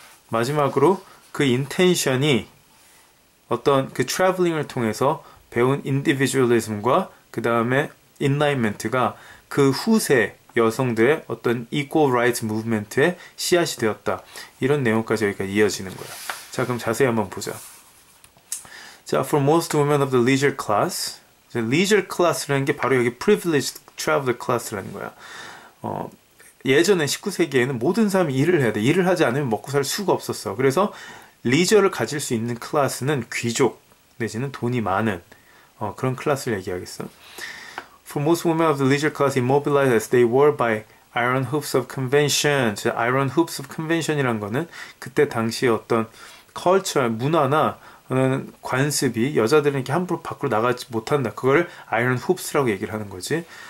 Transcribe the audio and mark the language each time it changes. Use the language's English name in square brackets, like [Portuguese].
[Korean] 마지막으로 그 intention이 어떤 그 traveling을 통해서 배운 individualism과 그 다음에 enlightenment가 그 후세 여성들의 어떤 equal rights movement의 씨앗이 되었다. 이런 내용까지 여기가 이어지는 거야. 자, 그럼 자세히 한번 보자. [English] 자, for most women of the leisure class. [Korean] leisure class라는 게 바로 여기 privileged traveler class라는 거야. 예전에 19세기에는 모든 사람이 일을 해야 돼. 일을 하지 않으면 먹고 살 수가 없었어. 그래서 리저를 가질 수 있는 클래스는 귀족 내지는 돈이 많은 그런 클래스를 얘기하겠어. [English] For most women of the leisure class immobilized as they were by iron hoops of convention. [Korean] iron hoops of convention이란 거는 그때 당시의 어떤 컬처, 문화나 관습이 여자들은 이렇게 함부로 밖으로 나가지 못한다. 그거를 iron hoops라고 얘기를 하는 거지.